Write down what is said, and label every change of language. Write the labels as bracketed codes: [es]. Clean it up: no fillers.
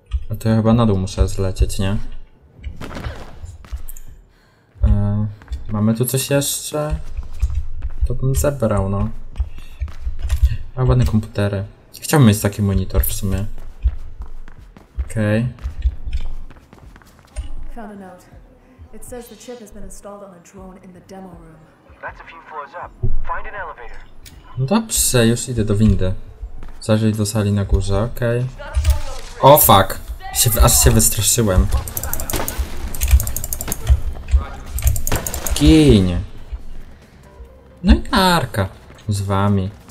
[pl] A to ja chyba na dół muszę zlecieć, nie? Mamy tu coś jeszcze? To bym zebrał, no. A ładne komputery. Chciałbym mieć taki monitor w sumie. Okej. [en] Found a note. It says the chip has been installed on a drone in the demo room. That's a few floors up. Find an elevator. [pl] No dobrze, już idę do windy. Zajrzyj do sali na górze, okej. O fuck! Aż się wystraszyłem. Gin! No i narka. Z wami.